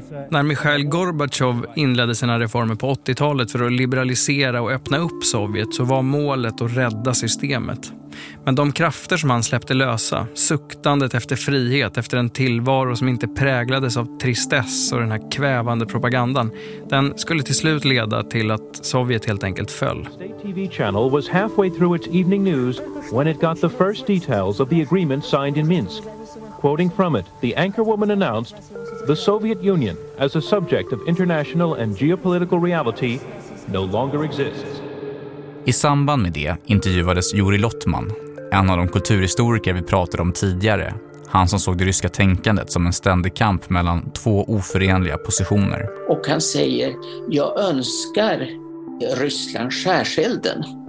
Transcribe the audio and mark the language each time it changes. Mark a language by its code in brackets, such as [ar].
[sv] När Mikhail Gorbachev inledde sina reformer på 80-talet för att liberalisera och öppna upp Sovjet, så var målet att rädda systemet. Men de krafter som han släppte lösa, suktandet efter frihet, efter en tillvaro som inte präglades av tristess och den här kvävande propagandan, den skulle till slut leda till att Sovjet helt enkelt föll. [en] TV-channel was halfway through its evening news when it got the first details of the agreement signed in Minsk. Quoting from it, the anchorwoman announced, "The Soviet Union, as a subject of international and geopolitical reality, no longer exists." [sv] I samband med det intervjuades Yuri Lottman, en av de kulturhistoriker vi pratade om tidigare. Han som såg det ryska tänkandet som en ständig kamp mellan två oförenliga positioner. Och han säger, jag önskar Ryssland skärselden.